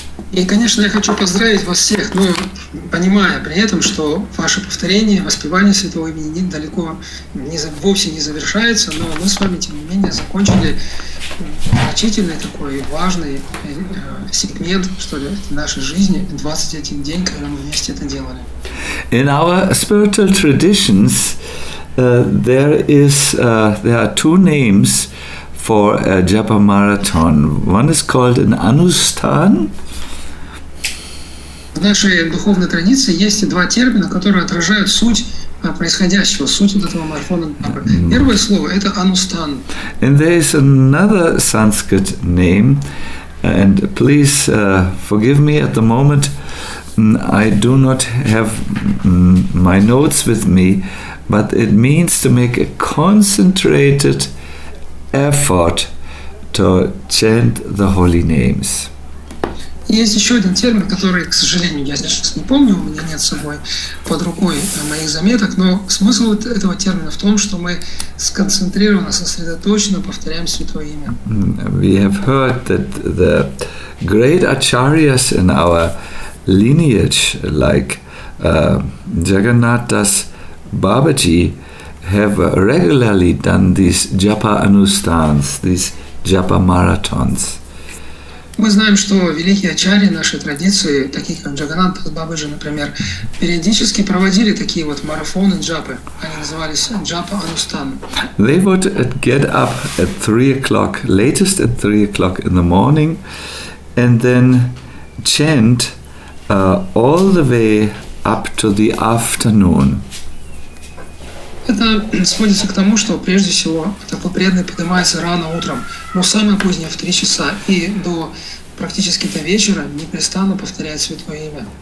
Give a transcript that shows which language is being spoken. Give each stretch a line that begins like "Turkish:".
Russian: И, конечно, я хочу поздравить вас всех, но понимая при этом, что ваше повторение, воспевание святого имени вовсе не завершается, но мы с вами, тем не менее, закончили значительный такой важный сегмент, что ли, нашей жизни, 21 день, когда мы вместе это делали.
English: In our spiritual traditions, there are two names for a japa marathon. One is called an anusthan.
Russian: В нашей духовной традиции есть два термина, которые отражают суть происходящего, суть этого марафона. Первое слово – это «анустан». And there is another Sanskrit name, and please forgive me at the moment, I do not have my notes with me, but it means to make a concentrated effort to chant the holy names. Есть еще один термин, который, к сожалению, я сейчас не помню, у меня нет с собой под рукой моих заметок, но смысл этого термина в том, что мы сконцентрированно, сосредоточенно повторяем Святое Имя.
English: We have heard that the great acharyas in our lineage, like Jagannath Das Babaji, have regularly done these japa anusthans, these japa marathons.
Russian: Мы знаем, что великие ачарьи нашей традиции, таких как Джагананд Дас Бабаджи, например, периодически проводили такие вот марафоны джапы. Они назывались джапа анустан.
English: They would get up at 3 o'clock, latest at 3 o'clock in the morning, and then chant all the way up to the afternoon.
Russian: Это сводится к тому, что прежде всего такой преданный поднимается рано утром, но самое позднее в 3 часа и до практически до вечера непрестанно повторяет Святое Имя.